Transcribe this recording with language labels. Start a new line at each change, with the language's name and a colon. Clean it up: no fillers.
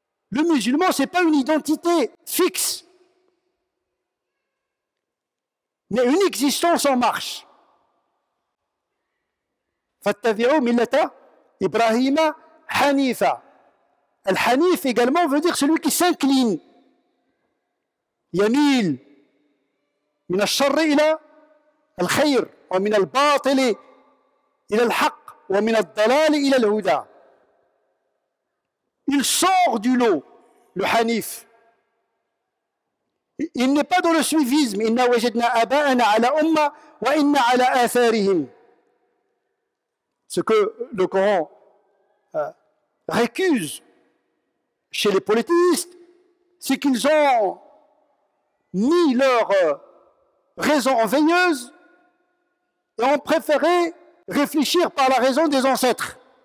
French: Le musulman, ce n'est pas une identité fixe, mais une existence en marche.
Arabic: Fattabi'u millata Ibrahima Hanifa.
French: Al-Hanif également veut dire celui qui s'incline.
Arabic: Yamil. من الشر إلى الخير ومن الباطل إلى الحق ومن الضلال إلى الهدى.
French: Il sort du lot, le Hanif. Il n'est pas dans le suivisme.
Arabic: إنا وجدنا آباءنا على أمة وإنا على آثارهم.
French: Ce que le Coran récuse chez les polythéistes, c'est qu'ils ont mis leur raison veilleuse et ont préféré réfléchir par la raison des ancêtres.